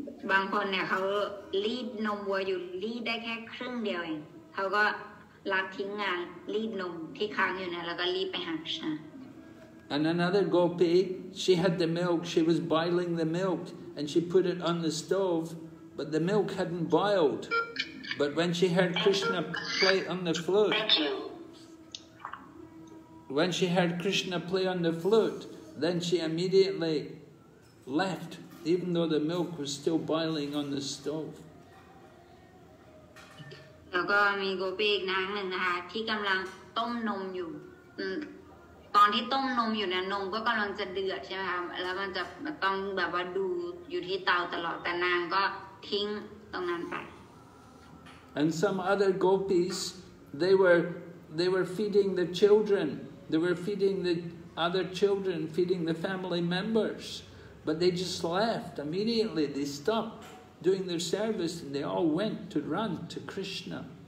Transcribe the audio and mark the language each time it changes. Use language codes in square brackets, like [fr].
[th] บางคนเนี่ยเขารีดนมวัวอยู่รีดได้แค่ครึ่งเดียวเองเขาก็ลักทิ้งงานรีดนมที่ค้างอยู่เนี่ยแล้วก็รีบไปหาฉัน [en] And another gopi, she had the milk. She was boiling the milk, and she put it on the stove, but the milk hadn't boiled. But when she heard Krishna play on the flute, Then she immediately left, even though the milk was still boiling on the stove. [th] แล้วก็มีโกปีอีกนางหนึ่งนะคะที่กำลังต้มนมอยู่ตอนที่ต้มนมอยู่เนี่ยนมก็กำลังจะเดือดใช่ไหมคะแล้วมันจะต้องแบบว่าดูอยู่ที่เตาตลอดแต่นางก็ทิ้งตรงนั้นไป [en] And some other gopis, they were feeding the children. They were feeding the other children feeding the family members but they just left immediately they stopped doing their service and they all went to run to Krishna